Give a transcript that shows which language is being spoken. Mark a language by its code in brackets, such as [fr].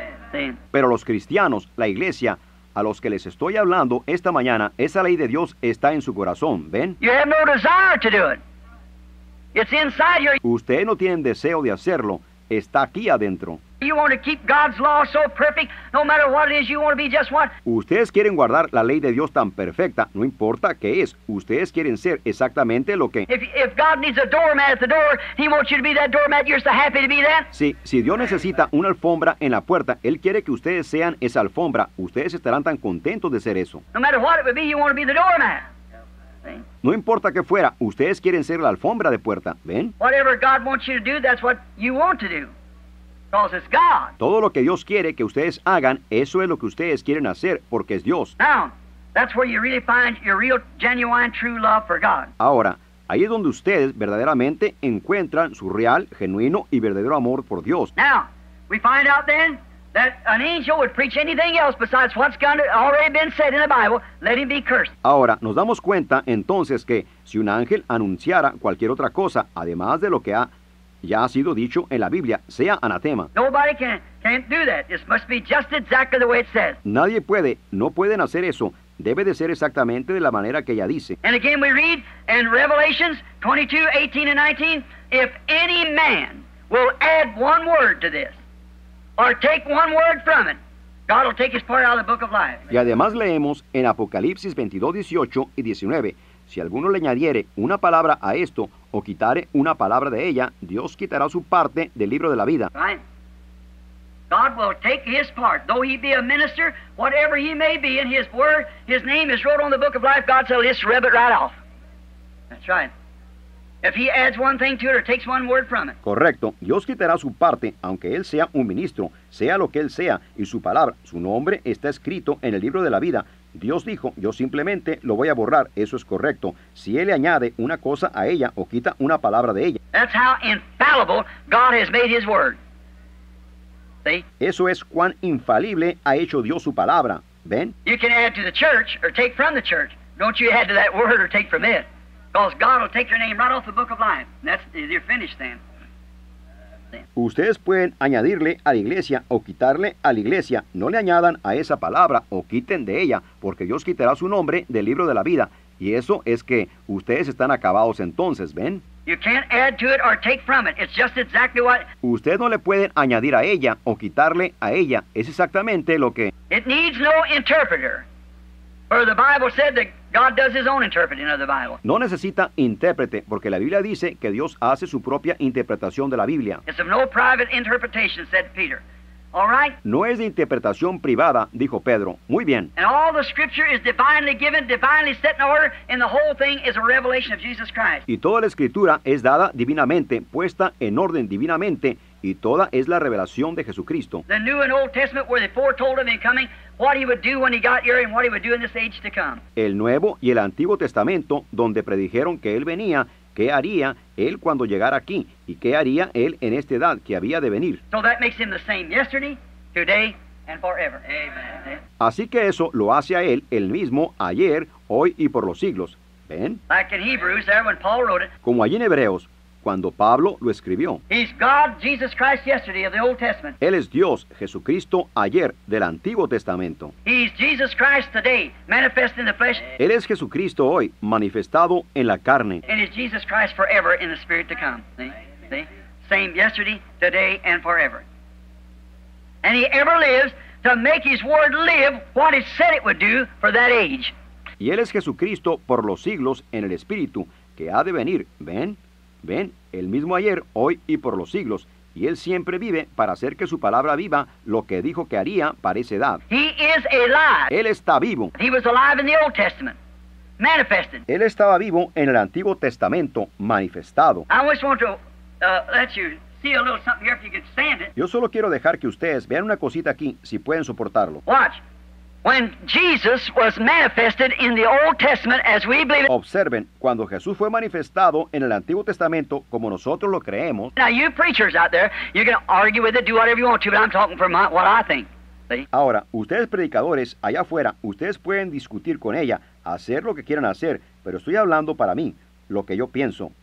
[en] Then. [es] Pero los cristianos, la iglesia, a los que les estoy hablando esta mañana, esa ley de Dios está en su corazón, ¿ven? [en] You have no desire to do it. It's inside your... [es] Ustedes no tienen deseo de hacerlo. Está aquí adentro. [en] You want to keep God's law so perfect, no matter what it is, you want to be just what... [es] Ustedes quieren guardar la ley de Dios tan perfecta, no importa qué es. Ustedes quieren ser exactamente lo que... [en] If God needs a doormat at the door, he wants you to be that doormat, you're so happy to be that. [es] Sí, si Dios necesita una alfombra en la puerta, él quiere que ustedes sean esa alfombra. Ustedes estarán tan contentos de ser eso. [en] No matter what it would be, you want to be the doormat. [es] No importa qué fuera, ustedes quieren ser la alfombra de puerta, ¿ven? [en] Whatever God wants you to do, that's what you want to do. Because it's God. [es] Todo lo que Dios quiere que ustedes hagan, eso es lo que ustedes quieren hacer, porque es Dios. [en] Now, that's where you really find your real, genuine, true love for God. [es] Ahora, ahí es donde ustedes verdaderamente encuentran su real, genuino y verdadero amor por Dios. [en] Now, we find out then that an angel would preach anything else besides what's already been said in the Bible, let him be cursed. [es] Ahora, nos damos cuenta entonces que si un ángel anunciara cualquier otra cosa, además de lo que ya ha sido dicho en la Biblia, sea anatema. [en] Nobody can't do that. It must be just exactly the way it says. [es] Nadie puede, no pueden hacer eso. Debe de ser exactamente de la manera que ella dice. [en] And again we read in Revelations 22, 18 and 19, if any man will add one word to this, or take one word from it, God will take his part out of the book of life. [es] Y además leemos en Apocalipsis 22, 18 y 19, si alguno le añadiere una palabra a esto, o quitare una palabra de ella, Dios quitará su parte del libro de la vida. [en] Right. God will take his part, though he be a minister, whatever he may be, in his word, his name is wrote on the book of life, God shall just rip it right off. That's right. If he adds one thing to it or takes one word from it. [es] Correcto. Dios quitará su parte, aunque él sea un ministro, sea lo que él sea, y su palabra, su nombre, está escrito en el libro de la vida. Dios dijo, yo simplemente lo voy a borrar. Eso es correcto. Si él le añade una cosa a ella o quita una palabra de ella. [en] That's how infallible God has made his word. See? [es] Eso es cuán infalible ha hecho Dios su palabra. ¿Ven? [en] You can add to the church or take from the church. Don't you add to that word or take from it. Because God will take your name right off the book of life. That's, you're finished then. [es] Ustedes pueden añadirle a la iglesia o quitarle a la iglesia. No le añadan a esa palabra o quiten de ella, porque Dios quitará su nombre del libro de la vida. Y eso es que ustedes están acabados entonces, ¿ven? [en] You can't add to it or take from it. It's just exactly what... [es] Ustedes no le pueden añadir a ella o quitarle a ella. Es exactamente lo que... [en] It needs no interpreter. For the Bible said that God does his own interpreting of the Bible. [es] No necesita intérprete, porque la Biblia dice que Dios hace su propia interpretación de la Biblia. [en] It's of no private interpretation, said Peter. All right? [es] No es de interpretación privada, dijo Pedro. Muy bien. [en] And all the scripture is divinely given, divinely set in order, and the whole thing is a revelation of Jesus Christ. [es] Y toda la escritura es dada divinamente, puesta en orden divinamente, y toda es la revelación de Jesucristo. [en] The New and Old Testament were the foretold of him coming, what he would do when he got here and what he would do in this age to come. [es] El Nuevo y el Antiguo Testamento, donde predijeron que él venía, qué haría él cuando llegara aquí, y qué haría él en esta edad que había de venir. [en] So that makes him the same yesterday, today, and forever. Amen. [es] Así que eso lo hace a él el mismo ayer, hoy y por los siglos. ¿Ven? [en] Like in Hebrews, there when Paul wrote it. [es] Como allí en Hebreos, cuando Pablo lo escribió. [en] He's God, Jesus Christ, yesterday of the Old Testament. [es] Él es Dios, Jesucristo, ayer del Antiguo Testamento. [en] He's Jesus Christ today, manifest in the flesh. [es] Él es Jesucristo hoy, manifestado en la carne. [en] And he's Jesus Christ forever in the spirit to come. See? Same yesterday, today, and forever. And he ever lives to make his word live what it said it would do for that age. [es] Y él es Jesucristo por los siglos en el Espíritu, que ha de venir, ¿ven? Ven, el mismo ayer, hoy y por los siglos. Y él siempre vive para hacer que su palabra viva lo que dijo que haría para esa edad. [en] He is alive. [es] Él está vivo. [en] He was alive in the Old Testament, manifested. [es] Él estaba vivo en el Antiguo Testamento, manifestado. [en] I just want to let you see a little something here if you can stand it. [es] Yo solo quiero dejar que ustedes vean una cosita aquí, si pueden soportarlo. [en] Watch. When Jesus was manifested in the Old Testament as we believe. [es] Observen, cuando Jesús fue manifestado en el Antiguo Testamento como nosotros lo creemos. [en] Now you preachers out there, you can argue with it, do whatever you want to, but I'm talking from what I think. See? [es] Ahora, ustedes predicadores allá afuera, ustedes pueden discutir con ella, hacer lo que quieran hacer, pero estoy hablando para mí, lo que yo pienso.